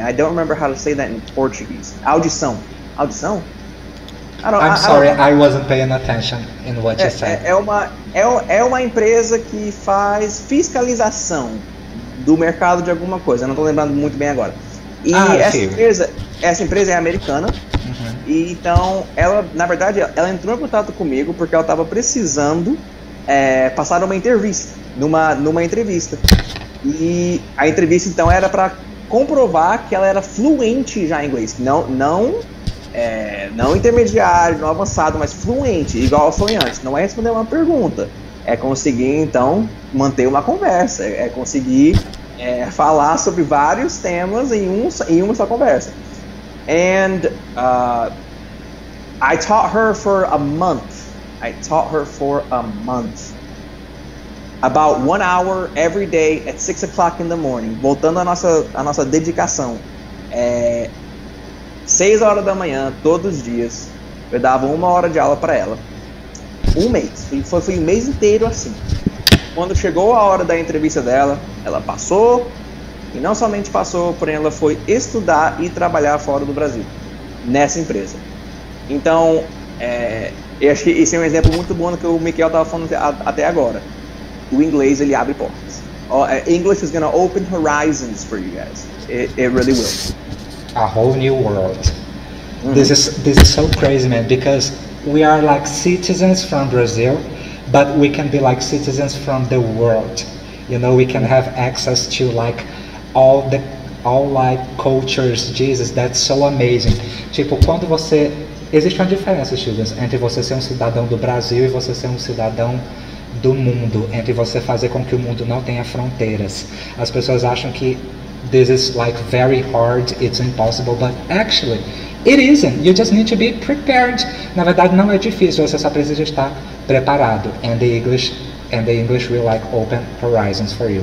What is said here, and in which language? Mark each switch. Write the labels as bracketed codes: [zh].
[en] I don't remember how to say that in Portuguese. [pt] Audição. [en] I wasn't paying attention in what you said. [pt] É uma empresa que faz fiscalização do mercado de alguma coisa. Eu não estou lembrando muito bem agora. Essa empresa é americana. Uh-huh. E então, ela entrou em contato comigo porque ela estava precisando passar numa entrevista. E a entrevista então era para comprovar que ela era fluente já em inglês, não intermediário, não avançado, mas fluente, igual ao sonhante. Não é responder uma pergunta, é conseguir então manter uma conversa, é conseguir falar sobre vários temas em uma só conversa. [en] And I taught her for a month. I taught her for a month, about 1 hour every day at 6 o'clock in the morning. [pt] Voltando a nossa dedicação, 6 horas da manhã todos os dias, eu dava 1 hora de aula para ela. Um mês, foi um mês inteiro assim. Quando chegou a hora da entrevista dela, ela passou, e não somente passou, porém ela foi estudar e trabalhar fora do Brasil, nessa empresa. Então, eu acho que esse é um exemplo muito bom do que o Miguel estava falando até agora. O inglês, ele abre portas. [en] English is going to open horizons for you guys. It really will. A whole new world. Mm-hmm. This is so crazy, man, because we are like citizens from Brazil, but we can be like citizens from the world. You know, we can have access to like all cultures. Jesus, that's so amazing. [pt] Tipo, quando você... Existe uma diferença, students, entre você ser um cidadão do Brasil e você ser um cidadão do mundo, entre você fazer com que o mundo não tenha fronteiras. As pessoas acham que [en] this is like very hard, it's impossible, but actually, it isn't. You just need to be prepared. [pt] Na verdade, não é difícil, você só precisa estar preparado. [en] And the English will like open horizons for you.